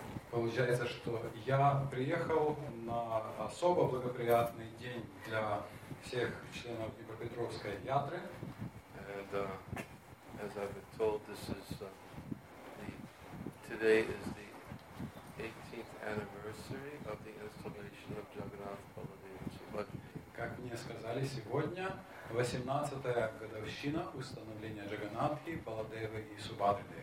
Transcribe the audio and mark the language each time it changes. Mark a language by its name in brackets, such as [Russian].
[Russian] Получается, что я приехал на особо благоприятный день для всех членов Днепропетровской ятры. [English] And as I've been told, this is today is the 18th anniversary of the installation of Jagannath Baladev. [Russian] Как мне сказали, сегодня 18-я годовщина установления Джаганнатхи, Баладевы и Субхадры.